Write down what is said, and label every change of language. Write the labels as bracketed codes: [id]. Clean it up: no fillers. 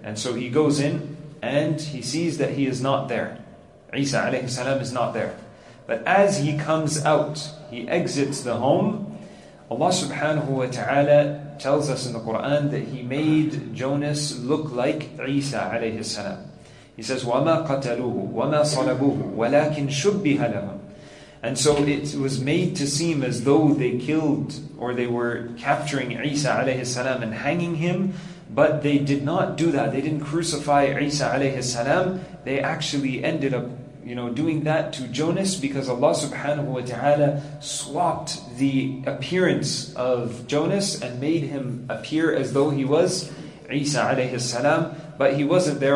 [en] And so he goes in and he sees that he is not there. Isa alayhi salam is not there. But as he comes out, he exits the home, Allah subhanahu wa ta'ala tells us in the Quran that he made Jonas look like Isa alayhi salam. He says, [ar] وَمَا قَتَلُوهُ وَمَا صَلَبُوهُ وَلَكِنْ شُبِّهَ لَهُمْ. [en] And so it was made to seem as though they killed or they were capturing Isa alayhi salam and hanging him, but they did not do that. They didn't crucify Isa alayhi salam. They actually ended up, you know, doing that to Jonas because Allah subhanahu wa ta'ala swapped the appearance of Jonas and made him appear as though he was Isa alayhi salam, but he wasn't there.